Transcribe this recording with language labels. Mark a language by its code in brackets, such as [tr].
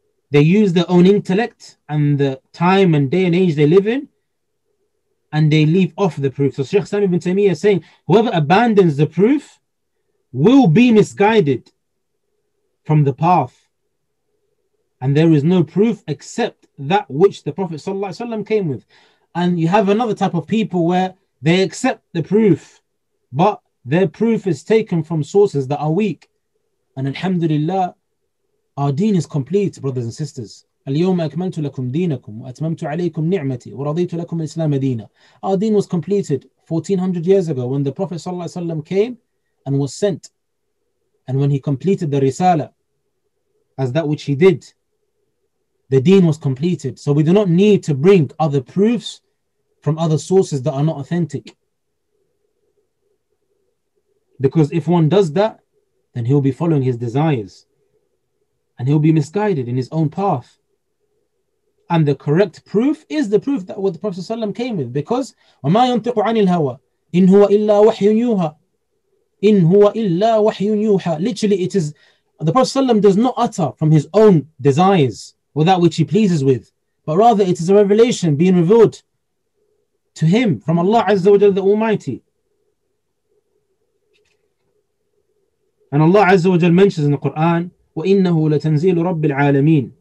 [en] They use their own intellect and the time and day and age they live in, and they leave off the proof. So Shaykh Sami ibn Taymiyyah is saying, whoever abandons the proof will be misguided from the path, and there is no proof except that which the Prophet sallallahu alaihi wasallam came with. And you have another type of people where they accept the proof, but their proof is taken from sources that are weak. And alhamdulillah, our deen is complete, brothers and sisters. [ar] اليوم أكملت لكم دينكم وأتممت عليكم نعمتي ورضيت لكم الإسلام دينا. [en] Our deen was completed 1400 years ago when the Prophet sallallahu alaihi wasallam came and was sent, and when he completed the risala, as that which he did, the deen was completed. So we do not need to bring other proofs from other sources that are not authentic. Because if one does that, then he'll be following his desires, and he'll be misguided in his own path. And the correct proof is the proof that what the Prophet ﷺ came with. Because [ar] وَمَا يَنْطِقُ عَنِ الْهَوَى إِنْ هُوَ إِلَّا وَحْيٌ يُوحَى إِنْ هُوَ إِلَّا وَحْيٌ يُوحَى. [en] Literally, it is the Prophet ﷺ does not utter from his own desires or that which he pleases with, but rather it is a revelation being revealed to him from Allah Azza wa Jalla, the Almighty. And Allah Azza wa Jalla mentions in the Quran, [ar] وَإِنَّهُ لَتَنْزِيلُ رَبِّ الْعَالَمِينَ.